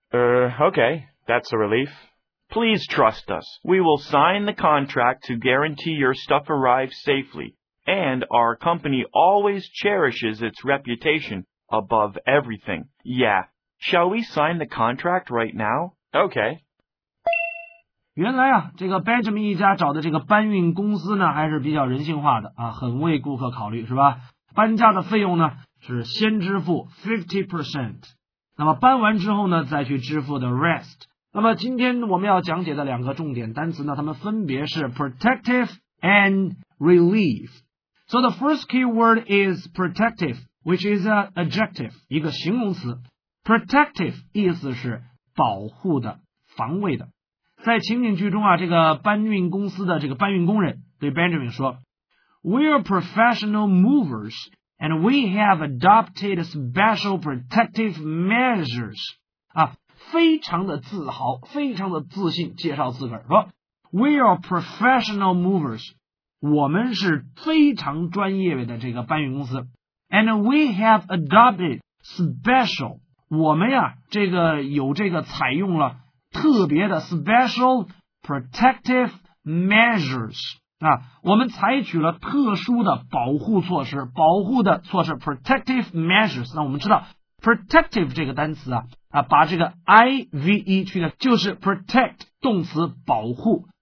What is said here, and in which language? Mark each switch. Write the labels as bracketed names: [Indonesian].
[English] Okay. That's a relief. Please trust us. We will sign the contract to guarantee your stuff arrives safely, and our company always cherishes its reputation above everything. Yeah. Shall we sign the contract right now? Okay. [Chinese] 原来啊，这个 Benjamin 一家找的这个搬运公司呢，还是比较人性化的啊，很为顾客考虑，是吧？搬家的费用呢，是先支付 50%， 那么搬完之后呢，再去支付的 rest。那么今天我们要讲解的两个重点单词呢，它们分别是 protective and relief。 [English] So the first keyword is protective, which is an adjective, [Chinese] 一个形容词。 Protective 意思是保护的、防卫的。在情景剧中啊，这个搬运公司的这个搬运工人对 Benjamin 说 [English] We are professional movers and we have adopted special protective measures. [Chinese] 非常的自豪，非常的自信介绍自个儿，说 [English] We are professional movers. [Chinese] 我们是非常专业的这个搬运公司。 [English] And we have adopted special. [Chinese] 我们呀，这个有这个采用了特别的 special protective measures 啊，我们采取了特殊的保护措施，保护的措施 protective measures。那我们知道 protective 这个单词把这个 ive 去掉，就是 protect 动词保护。